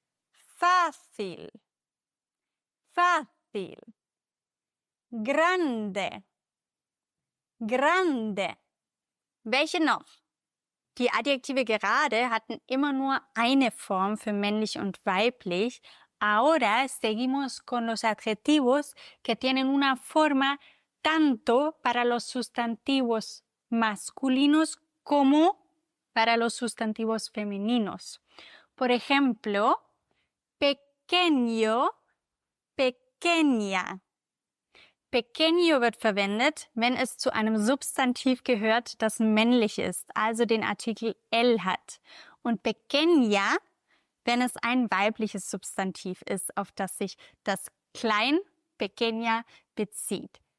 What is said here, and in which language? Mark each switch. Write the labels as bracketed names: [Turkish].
[Spanish] Fácil. Fácil. Grande, grande. [German] Welche noch? Die Adjektive gerade hatten immer nur eine Form für männlich und weiblich. [Spanish] Ahora seguimos con los adjetivos que tienen una forma tanto para los sustantivos masculinos como para los sustantivos femeninos. Por ejemplo, pequeño, pequeña. [German] Pequeño wird verwendet, wenn es zu einem Substantiv gehört, das männlich ist, also den Artikel L hat. Und pequeña, wenn es ein weibliches Substantiv ist, auf das sich das klein pequeña bezieht.